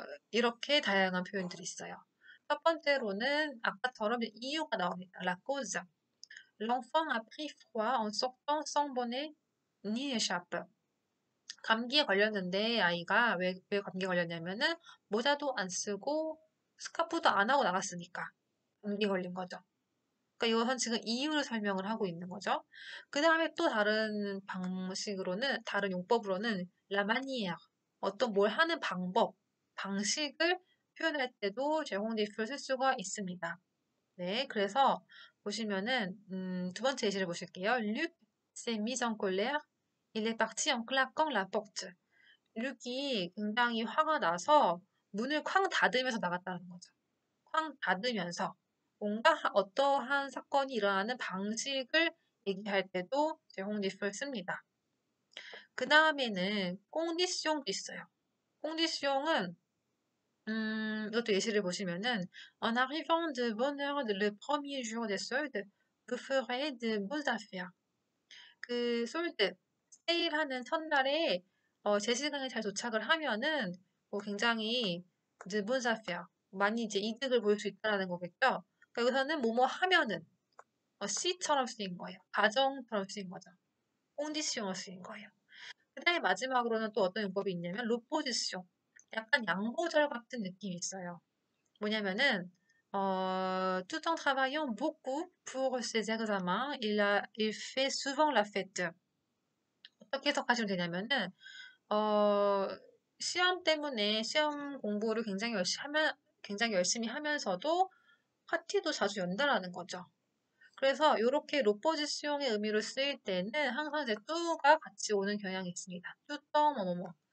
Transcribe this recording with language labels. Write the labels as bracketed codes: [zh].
[ko] 이렇게 다양한 표현들이 있어요. 첫 번째로는 아까처럼 이유가 나옵니다. [fr] La cause. L'enfant a pris froid en sortant sans bonnet ni écharpe. [ko] 감기에 걸렸는데 아이가 왜 감기에 걸렸냐면은 모자도 안 쓰고 스카프도 안 하고 나갔으니까 감기 걸린 거죠. 그러니까 이것은 지금 이유를 설명을 하고 있는 거죠. 그 다음에 또 다른 방식으로는 다른 용법으로는 [fr] la manière. [ko] 어떤 뭘 하는 방법, 방식을 표현할 때도 제홍디프를 쓸 수가 있습니다. 네, 그래서 보시면은 두 번째 예시를 보실게요. [fr] Luc s'est mis en colère. Il est parti en claquant la porte. [ko] Luc이 굉장히 화가 나서 문을 쾅 닫으면서 나갔다는 거죠. 쾅 닫으면서 뭔가 어떠한 사건이 일어나는 방식을 얘기할 때도 제홍지수를 씁니다. 그 다음에는 꽁디시옹도 있어요. 꽁디시옹은 이것도 예시를 보시면은 [fr] On arrivant de bonne heure le premier jour de solde, vous ferez de bonnes affaires. [ko] 그 솔드 세일하는 첫날에 제 시간에 잘 도착을 하면은 뭐 굉장히 [fr] de bonnes affaires [ko] 많이 이제 이득을 볼수 있다는 거겠죠. 여기서는 뭐뭐 하면은 시처럼 쓰인 거예요. 가정처럼 쓰인 거죠. 꽁디시옹을 쓰인 거예요. 그다음에 마지막으로는 또 어떤 용법이 있냐면 로포지시옹. 약간 양보절 같은 느낌이 있어요. 뭐냐면은 [fr] tout en travaillant beaucoup pour ses examens, il fait souvent la fête. [ko] 어떻게 해석하시면 되냐면은 시험 때문에 시험 공부를 굉장히 열심히 하면서도 파티도 자주 연다라는 거죠. 그래서 이렇게 로포지시옹의 의미로 쓰일 때는 항상 이제 뚜가 같이 오는 경향이 있습니다. 뚜똥 뭐뭐뭐.